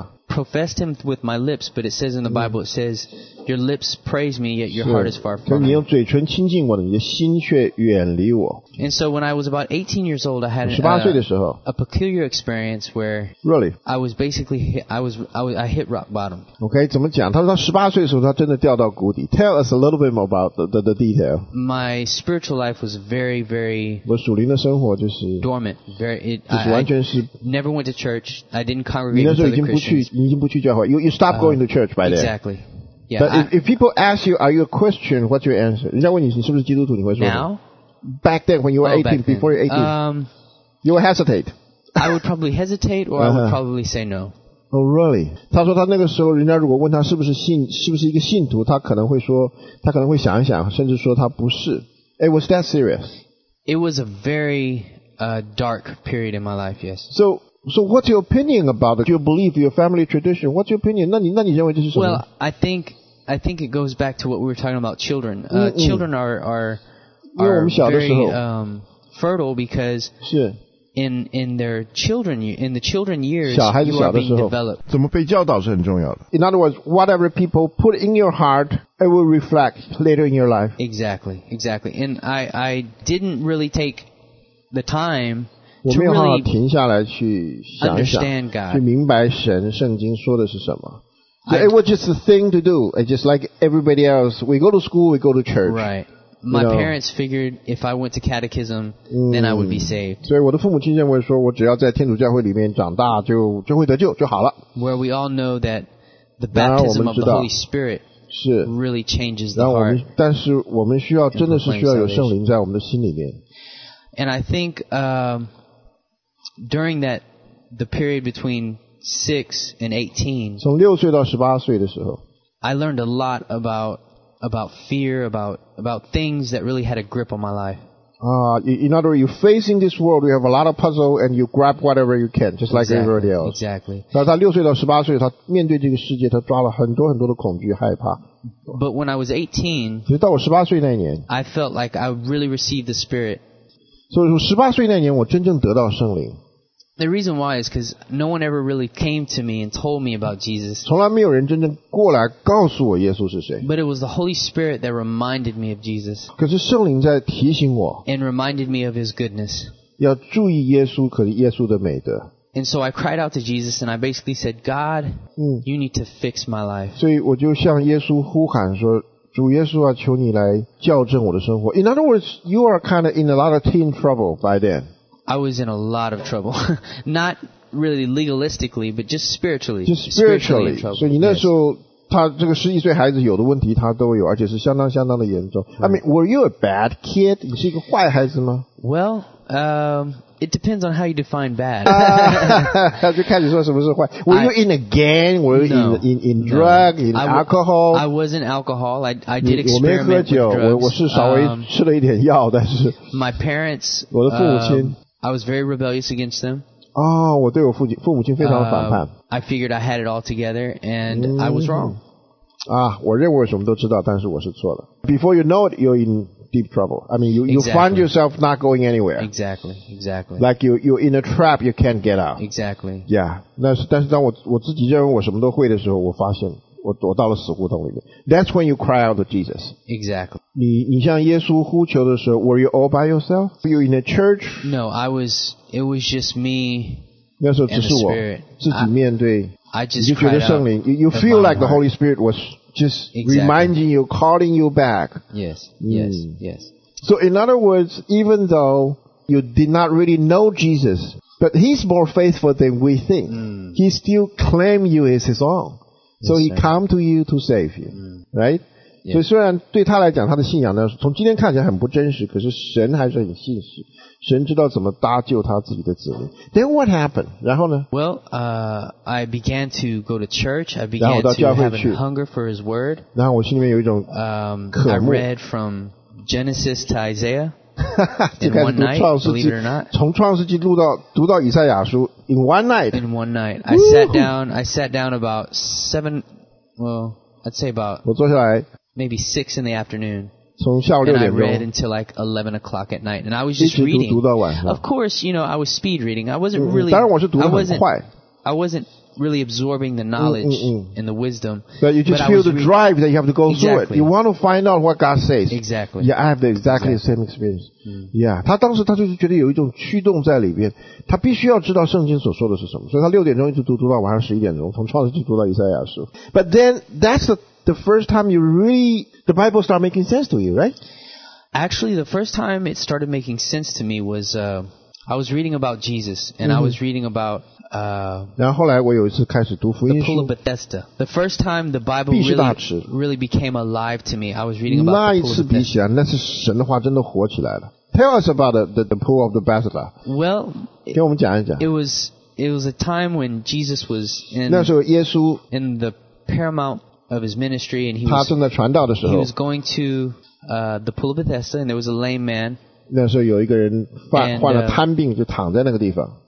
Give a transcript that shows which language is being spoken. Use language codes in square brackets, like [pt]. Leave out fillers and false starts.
[en] I, professed him with my lips, but it says in the Bible, it says, your lips praise me, yet your heart is far from me. [zh] 你用嘴唇亲近我的，你的心却远离我。 [en] And so when I was about 18 years old, I had a peculiar experience where I was basically, I hit rock bottom. [zh] Okay, 怎么讲？他说他十八岁的时候，他真的掉到谷底。 [en] Tell us a little bit more about the detail. My spiritual life was very, very [zh] 我属灵的生活就是 [en] dormant. Very, [zh] just 完全是 [en] never went to church. I didn't congregate. [zh] 你那时候已经不去，已经不去教会。 [en] You stopped going to church by then. Exactly. But if people ask you, are you a Christian, what's your answer? [zh] 人家问你你是不是基督徒，你会说 [en] Now? Back then, when you were 18, before you were 18. You would hesitate. I would probably hesitate, or I would probably say no. Oh, really? [zh] 他说他那个时候，人家如果问他是不是信，是不是一个信徒，他可能会说，他可能会想一想，甚至说他不是。 [en] It was that serious. It was a very, dark period in my life, yes. So what's your opinion about it? Your belief, your family tradition? What's your opinion? [zh] 那你认为这是什么? [en] Well, I think it goes back to what we were talking about, children. Children are very, fertile because in the children years, you are being developed. [zh] 怎么被教导是很重要的。 [en] In other words, whatever people put in your heart, it will reflect later in your life. Exactly, exactly. And I didn't really take the time [zh] 我没有好好停下来去想一想去明白神圣经说的是什么。 [en] It was just a thing to do. It's just like everybody else. We go to school, we go to church. Right. My parents figured if I went to catechism, then I would be saved. [zh] 所以我的父母亲认为说我只要在天主教会里面长大就会得救就好了。 [en] Where we all know that the baptism of the Holy Spirit really changes the heart. [zh] 但是我们需要真的是需要有圣灵在我们的心里面。 [en] And I think, during that, the period between 6 and 18, [zh] 从六岁到十八岁的时候, [en] I learned a lot about fear, about things that really had a grip on my life. In other words, you're facing this world, you have a lot of puzzle, and you grab whatever you can, just like everybody else. Exactly. [zh] 但他六岁到十八岁，他面对这个世界，他抓了很多很多的恐惧、害怕。 [en] But when I was 18, [zh] 其实到我十八岁那一年, [en] I felt like I really received the Spirit. [zh] 所以说十八岁那年我真正得到圣灵。 [en] The reason why is because no one ever really came to me and told me about Jesus. [zh] 从来没有人真正过来告诉我耶稣是谁。 [en] But it was the Holy Spirit that reminded me of Jesus. [zh] 可是圣灵在提醒我。 [en] And reminded me of his goodness. [zh] 要注意耶稣和耶稣的美德。 [en] And so I cried out to Jesus and I basically said, God, you need to fix my life. [zh] 所以我就向耶稣呼喊说主耶稣啊，求你来校正我的生活。 [en] In other words, you are kind of in a lot of teen trouble by then. I was in a lot of trouble, not really legalistically, but just spiritually. Just spiritually. [zh] 所以你那时候，他这个十一岁孩子有的问题他都有，而且是相当相当的严重。 [en] I mean, were you a bad kid? [zh] 你是一个坏孩子吗？ [en] Well, it depends on how you define bad. [zh] 他就开始说什么是坏。 [en] Were you in a gang? Were you in drug? In alcohol? I was in alcohol. I did experiment with drugs. [zh] 我没喝酒，我是稍微吃了一点药，但是。 [en] My parents. [zh] 我的父母亲。 [en] I was very rebellious against them. [zh] 哦，我对我父母亲非常反叛。 [en] I figured I had it all together, and I was wrong. [zh] 啊，我认为我什么都知道，但是我是错的。 [en] Before you know it, you're in. Deep trouble. I mean, you find yourself not going anywhere. Exactly, exactly. Like you're in a trap, you can't get out. Exactly. Yeah. [zh] 但是当我自己认为我什么都会的时候，我发现我到了死胡同里面。 [en] That's when you cry out to Jesus. Exactly. [zh] 你向耶稣呼求的时候 [en] ，Were you all by yourself? Were you in a church? No, I was. It was just me. [zh] 那时候只是我自己面对。 [en] I just cried out. [zh] 你觉得圣灵 [en] ，You feel like the Holy Spirit was. Just reminding you, calling you back. Yes, yes, yes. So in other words, even though you did not really know Jesus, but he's more faithful than we think. He still claims you as his own. So he come to you to save you, right? Yes. [zh] 所以虽然对他来讲他的信仰呢，从今天看起来很不真实，可是神还是很信实。神知道怎么搭救他自己的子民。 [en] Then what happened? [zh] 然后呢? [en] Well, I began to go to church. I began to have a hunger for his word. [zh] 然后我心里面有一种渴慕。 [en] I read from Genesis to Isaiah in one night, believe it or not. [zh] 从创世纪读到以赛亚书 [en] in one night. In one night. I sat down about seven, well, I'd say about [zh] 我坐下来 [en] maybe six in the afternoon. [zh] 从下午六点钟 [en] and I read until like 11 o'clock at night, and I was just reading. Of course, you know, I was speed reading. I wasn't really. [zh] 当然我是读得很快。 [en] I wasn't really absorbing the knowledge and the wisdom. But you just but feel the drive that you have to go through it. You want to find out what God says. Exactly. Yeah, I have exactly the same experience. Yeah. [zh] 他当时他就是觉得有一种驱动在里边，他必须要知道圣经所说的是什么。所以他六点钟一直读读到晚上十一点钟，从创世纪读到以赛亚书。 [en] But then that's the first time you really the Bible start making sense to you, right? Actually, the first time it started making sense to me was I was reading about Jesus and I was reading aboutThe Pool of Bethesda. The first time the Bible really became alive to me, I was reading about the Pool of Bethesda. [zh] 那是神的话真的活起来了。 [en] Tell us about the Pool of Bethesda. Well, [zh] 给我们讲一讲。 [en] It was a time when Jesus was in, [zh] 那时候耶稣, [en] in the paramount of his ministry and he was, [zh] 他正在传道的时候, [en] he was going to the Pool of Bethesda and there was a lame man. [zh] 那时候有一个人患了瘫病就躺在那个地方。